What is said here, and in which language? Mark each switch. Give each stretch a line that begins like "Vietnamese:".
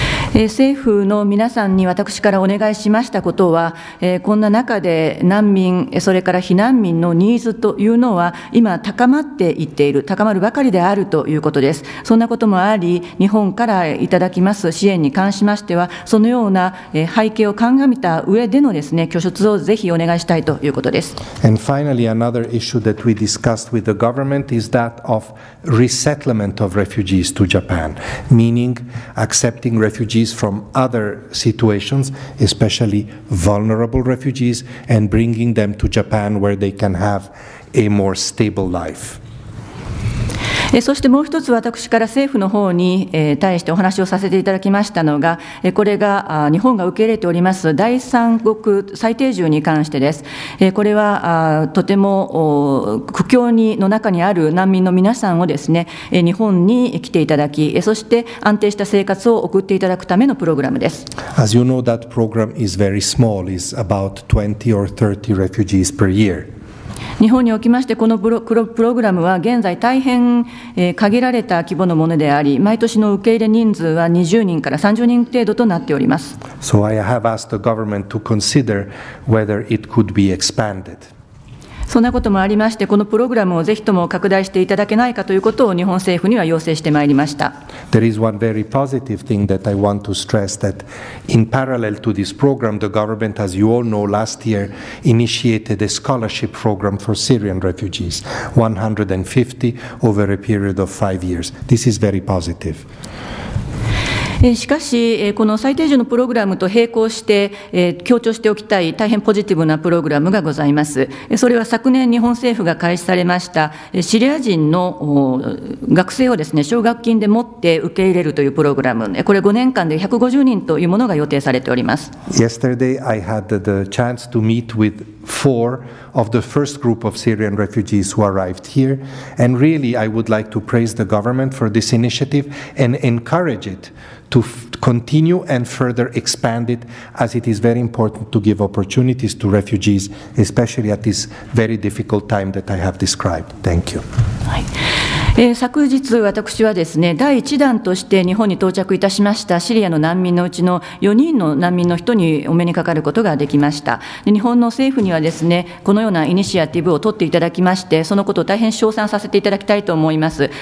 Japanese: 政府の皆さんに私からお願いしましたことは、こんな中で難民、それから避難民のニーズというのは今高まっていっている、高まるばかりであるということです。そんなこともあり、日本からいただきます支援に関しましては、そのような背景を鑑みた上でのですね、拠出をぜひお願いしたいということです。
English: And finally, another issue that we discussed with the government is that of resettlement of refugees to Japan, meaning accepting refugees from other situations, especially vulnerable refugees, and bringing them to Japan where they can have a more stable life.
Japanese: そしてもう一つ、私から政府の方に対してお話をさせていただきましたのが、これが日本が受け入れております第三国再定住に関してです。これはとても苦境の中にある難民の皆さんをですね、日本に来ていただき、そして安定した生活を送っていただくためのプログラムです。
English: As you know, that program is very small. It's about 20 or 30 refugees per year.
Japanese: 日本におきましてこのプログラムは現在大変限られた規模のものであり、毎年の受け入れ人数は20人から30人程度となっております。
English: So I have asked the government to consider whether it could be expanded.
Japanese: そんなこともありまして、このプログラムをぜひとも拡大していただけないかということを日本政府には要請してまいりました。
English: There is one very positive thing that I want to stress, that in parallel to this program, the government, as you all know, last year initiated a scholarship program for Syrian refugees, 150 over a period of 5 years. This is very positive.
Japanese: しかし、この再定住のプログラムと並行して強調しておきたい大変ポジティブなプログラムがございます。それは昨年日本政府が開始されましたシリア人の学生をですね、奨学金で持って受け入れるというプログラム、これ5年間で150人というものが予定されております。
English: Yesterday I had the chance to meet with four of the first group of Syrian refugees who arrived here, and really I would like to praise the government for this initiative and encourage itto continue and further expand it, as it is very important to give opportunities to refugees, especially at this very difficult time that I have described. Thank you.
Japanese: 昨日私はですね、第1弾として日本に到着いたしましたシリアの難民のうちの4人の難民の人にお目にかかることができました。で、日本の政府にはですね、このようなイニシアティブを取っていただきまして、そのことを大変称賛させていただきたいと思います。